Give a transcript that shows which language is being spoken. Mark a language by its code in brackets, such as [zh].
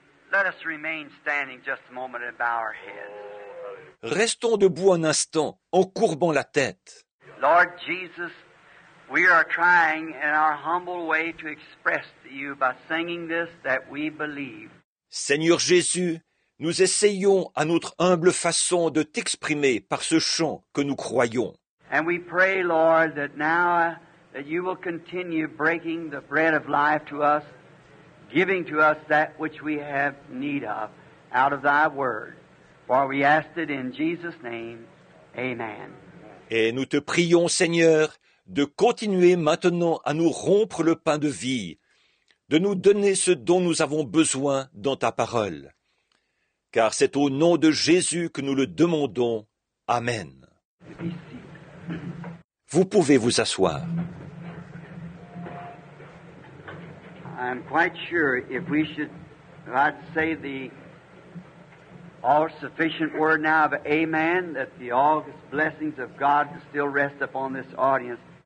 [en] Let us remain standing just a moment and bow our heads. [fr] Restons debout un instant en courbant la tête. [en] Lord Jesus, we are trying in our humble way to express to you by singing this that we believe. [fr] Seigneur Jésus, nous essayons à notre humble façon de t'exprimer par ce chant que nous croyons. [en] And we pray, Lord, that now that you will continue breaking the bread of life to us, giving to us that which we have need of out of thy word. For we ask it in Jesus' name. Amen. [fr] Et nous te prions, Seigneur, de continuer maintenant à nous rompre le pain de vie, de nous donner ce dont nous avons besoin dans ta parole. Car c'est au nom de Jésus que nous le demandons. Amen. Vous pouvez vous asseoir. [en] I'm quite sure if we should, if I'd say the all sufficient word now of amen, that the august blessings of God still rest upon this audience.